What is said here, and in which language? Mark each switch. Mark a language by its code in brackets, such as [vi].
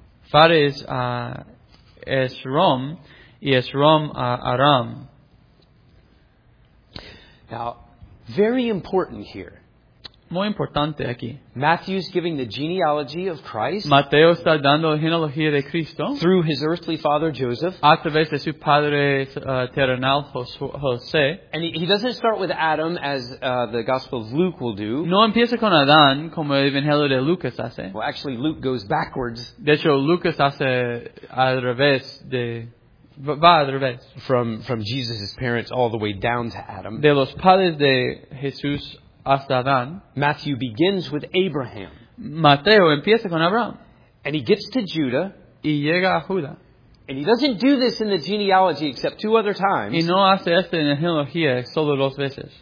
[es] Phares a Esrom, y Esrom a Aram. [en] Now, very important here. [es] Muy importante aquí. [en] Matthew's giving the genealogy of Christ. [es] Mateo está dando la genealogía de Cristo. [en] Through his earthly father Joseph. [es] A través de su padre terrenal José. [en] And he doesn't start with Adam as the Gospel of Luke will do. [es] No empieza con Adán como el Evangelio de Lucas hace. [en] Well, actually, Luke goes backwards. [es] De hecho, Lucas hace al revés de. Va al revés. [en] From Jesus' parents all the way down to Adam. [es] De los padres de Jesús. Hasta Adán. [en] Matthew begins with Abraham. [es] Mateo empieza con Abraham. [en] And he gets to Judah. [es] Y llega a Judá. [en] And he doesn't do this in the genealogy except two other times. [es] Y no hace esto en la genealogía solo dos veces.